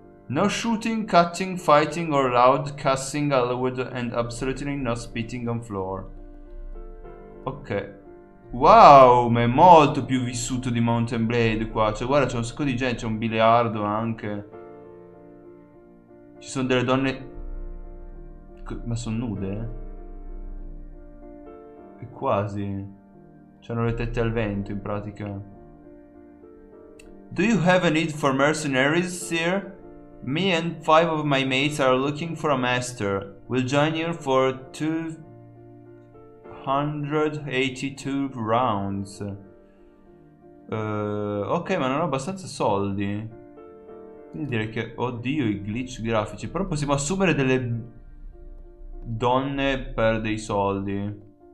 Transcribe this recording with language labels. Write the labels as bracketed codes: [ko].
[en] No shooting, cutting, fighting or loud cussing allowed and absolutely no spitting on floor. Ok. [it] Wow, ma è molto più vissuto di Mountain Blade qua. Cioè, guarda, c'è un sacco di gente, c'è un biliardo anche. Ci sono delle donne... Ma sono nude? E quasi. C'hanno le tette al vento, in pratica. [en] Do you have a need for mercenaries, sir? Me and five of my mates are looking for a master. We'll join you for 2,000 182 rounds. [it] Ok, ma non ho abbastanza soldi. Quindi direi che, oddio, i glitch grafici. Però possiamo assumere delle donne per dei soldi.